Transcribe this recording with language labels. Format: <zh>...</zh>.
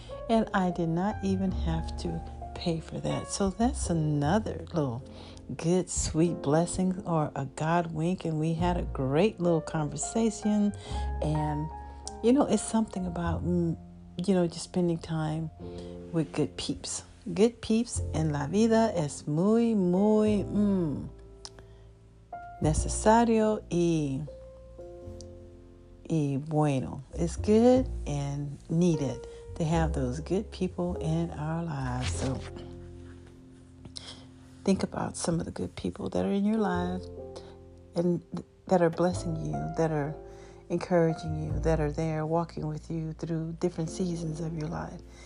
<en>And I did not even have to pay for that. So that's another little good, sweet blessing or a God wink. And we had a great little conversation. And, you know, it's something about, you know, just spending time with good peeps. Good peeps</en> <es>en la vida es muy, muy necesario y bueno.</es> <en>It's good and needed to have those good people in our lives. So think about some of the good people that are in your life and that are blessing you, that are encouraging you, that are there walking with you through different seasons of your life.</en>